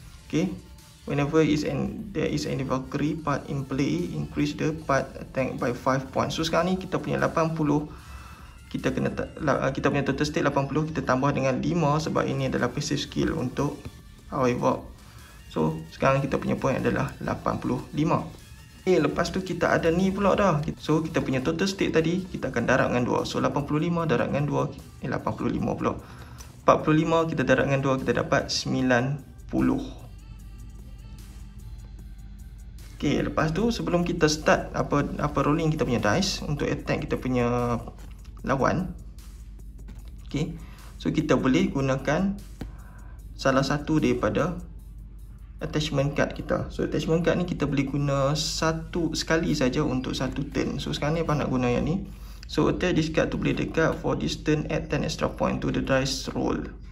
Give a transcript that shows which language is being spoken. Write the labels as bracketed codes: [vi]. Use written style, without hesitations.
[en] Okay, whenever there is any Valkyrie part in play, increase the part attack by 5 points. [ms] So sekarang ni kita punya 80, kita punya total state 80, kita tambah dengan 5 sebab ini adalah passive skill untuk [en] our evolve. [ms] So sekarang kita punya point adalah 85. Okay, lepas tu kita ada ni pula dah. So kita punya total state tadi kita akan darab dengan 2. So 85 darab dengan 2, 85 pula. 45 kita darab dengan 2, kita dapat 90. Okay, lepas tu sebelum kita start apa rolling kita punya dice untuk attack kita punya lawan. Okay, so kita boleh gunakan salah satu daripada attachment card kita. So attachment card ni kita boleh guna satu sekali saja untuk satu turn. So sekarang ni apa nak guna yang ni? [en] So attack this card to play the card for this turn, add 10 extra point to the dice roll.